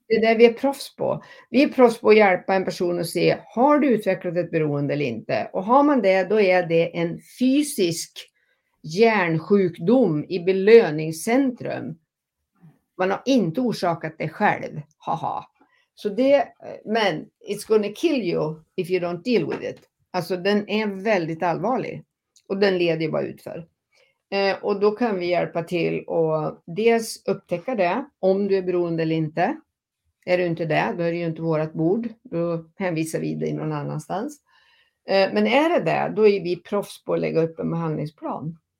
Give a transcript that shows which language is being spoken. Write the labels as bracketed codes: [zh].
[sv] Det är det vi är proffs på. Vi är proffs på att hjälpa en person att se, har du utvecklat ett beroende eller inte? Och har man det, då är det en fysisk hjärnsjukdom i belöningscentrum. Man har inte orsakat det själv. Haha. Så det, men [en] it's gonna kill you if you don't deal with it. [sv] Alltså den är väldigt allvarlig. Och den leder ju bara ut för. Och då kan vi hjälpa till och dels upptäcka det. Om du är beroende eller inte. Är du inte det, då är det ju inte vårat bord. Då hänvisar vi dig någon annanstans. Men är det det, då är vi proffs på att lägga upp en behandlingsplan.